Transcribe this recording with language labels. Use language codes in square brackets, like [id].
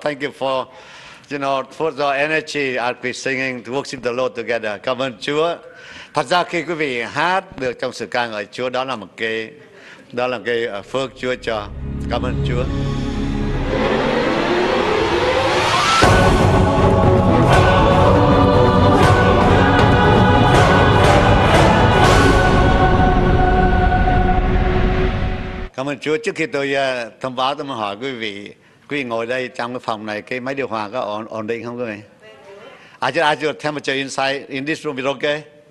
[en] Thank you for, you know, for the energy as we singing to worship the Lord together. [vi] Cảm ơn Chúa. Thật ra khi quý vị hát được trong sự ca ngợi Chúa, đó là một cái, đó là cái phước Chúa cho. Cảm ơn Chúa. Cảm ơn Chúa. Trước khi tôi thông báo, tôi muốn hỏi quý vị ngồi đây trong cái phòng này, cái máy điều hòa có ổn định không quý vị? [en] I just ask your temperature inside in this room is okay?